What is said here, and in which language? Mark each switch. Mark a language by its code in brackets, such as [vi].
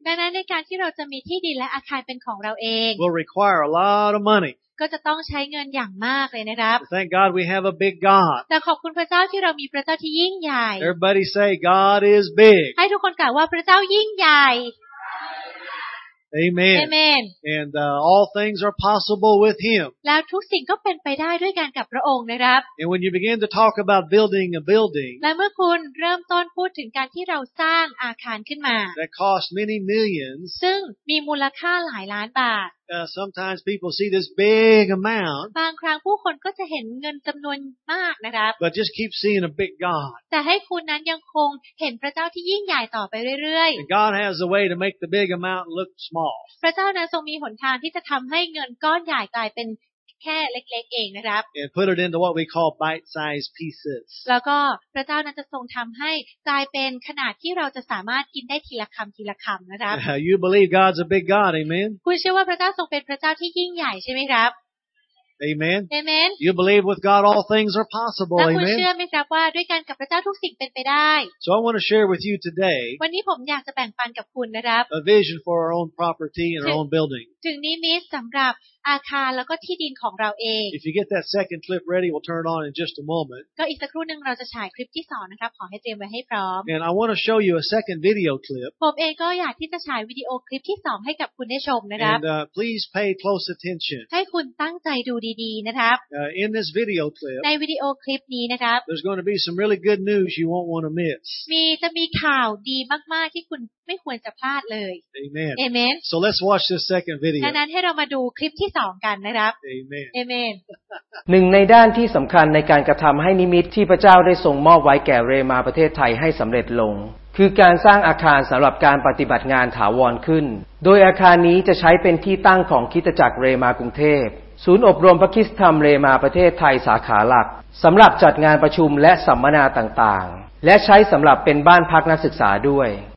[th] ดังนั้นในการที่เราจะมีที่ดินและอาคารเป็นของเราเอง [en] will require a lot of money. [th] ก็จะต้องใช้เงินอย่างมากเลยนะครับ [en] Thank God we have a big God [th] แต่ขอบคุณพระเจ้าที่เรามีพระเจ้าที่ยิ่งใหญ่ [en] Everybody say God is big [th] ให้ทุกคนกล่าวว่าพระเจ้ายิ่งใหญ่ [en] Amen. Amen. And all things are possible with Him. [th] แล้วทุกสิ่งก็เป็นไปได้ด้วยกับพระองค์นะครับ [en] And when you begin to talk about building a building, [th] และเมื่อคุณเริ่มต้นพูดถึงการที่เราสร้างอาคารขึ้นมา [en] that costs many millions, [th] ซึ่งมีมูลค่าหลายล้านบาท [en] Sometimes people see this big amount. [th] บางครั้งผู้คนก็จะเห็นเงินจำนวนมากนะครับ [en] But just keep seeing a big God. [th] แต่ให้คุณนั้นยังคงเห็นพระเจ้าที่ยิ่งใหญ่ต่อไปเรื่อย [en] ๆ God has a way to make the big amount look small. [th] พระเจ้านั้นทรงมีหนทางที่จะทำให้เงินก้อนใหญ่กลายเป็นแค่เล็กๆเองนะครับ [en] And put it into what we call bite-sized pieces. [th] แล้วก็พระเจ้านั้นจะทรงทำให้กลายเป็นขนาดที่เราจะสามารถกินได้ทีละคำทีละคำนะครับ [en] You believe God's a big God, amen? [th] คุณเชื่อว่าพระเจ้าทรงเป็นพระเจ้าที่ยิ่งใหญ่ใช่ไหมครับ [en] Amen. Amen. You believe with God all things are possible. Amen. [th] แล้วคุณเชื่อไหมครับว่าด้วยการกับพระเจ้าทุกสิ่งเป็นไปได้ [en] So I want to share with you today. [th] วันนี้ผมอยากจะแบ่งปันกับคุณนะครับ [en] A vision for our own property and our own building. [th] ถึงนี้มีสำหรับอาคารแล้วก็ที่ดินของเราเอง [en] If you get that second clip ready, we'll turn it on in just a moment. [th] ก็อีกสักครู่นึงเราจะฉายคลิปที่สองนะครับขอให้เตรียมไว้ให้พร้อม [en] And I want to show you a second video clip. [th] ผมเองก็อยากที่จะฉายวิดีโอคลิปที่สองให้กับคุณได้ชมนะครับ [en] And please pay close attention. [th] ให้คุณตั้งใจดูดีๆนะครับ [en] In this video clip. [th] ในวิดีโอคลิปนี้นะครับ [en] There's going to be some really good news you won't want to miss. [th] มีจะมีข่าวดีมากๆที่คุณไม่ควรจะพลาดเลย [en] Amen. Amen. So let's watch this second video. [th] ดังนั้นให้เรามาดูคลิปที่สองกันนะครับ [en] Amen. Amen. [th] หนึ่งในด้านที่สำคัญในการกระทำให้นิมิตที่พระเจ้าได้ทรงมอบไว้แก่เรมาประเทศไทยให้สำเร็จลงคือการสร้างอาคารสำหรับการปฏิบัติงานถาวรขึ้นโดยอาคารนี้จะใช้เป็นที่ตั้งของคริสตจักรเรมากรุงเทพศูนย์อบรมพระคริสตธรรมเรมาประเทศไทยสาขาหลักสำหรับจัดงานประชุมและสัมมนาต่างๆและใช้สำหรับเป็นบ้านพักนักศึกษาด้วย